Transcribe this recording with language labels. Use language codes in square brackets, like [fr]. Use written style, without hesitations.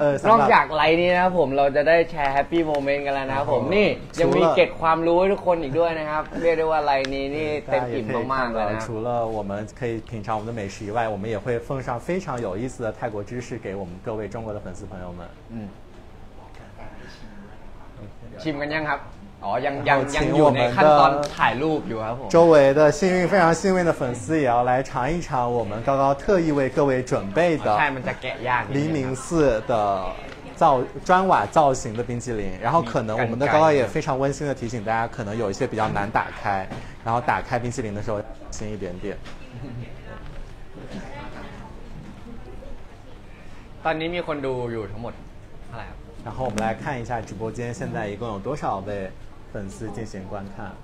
[th] นอกจากไลน์นี้นะผมเราจะได้แชร์แฮปปี้โมเมนต์กันแล้วนะผมนี่ยังมีเก็บความรู้ให้ทุกคนอีกด้วยนะครับเรียกได้ว่าไลน์นี้นี่เต็มอิ่มมากๆเลยนะ [zh] 除了我们可以品尝我们的美食以外我们也会奉上非常有意思的泰国知识给我们各位中国的粉丝朋友们 [th] ชิมกันยังครับอ๋อยังอยู่ในขั้นตอนถ่ายรูปอยู่ครับผม [zh] 周围的幸运非常幸运的粉丝也要来尝一尝我们高高特意为各位准备的 [th] ใช่มันจะแกะยาก [zh] 黎明寺的造砖瓦造型的冰淇淋然后可能我们的高高也非常温馨的提醒大家可能有一些比较难打开然后打开冰淇淋的时候小心一点点 [th] ตอนนี้มีคนดูอยู่ทั้งหมดเท่าไหร่ครับ [zh] 然后我们来看一下直播间现在一共有多少位粉丝进行观看。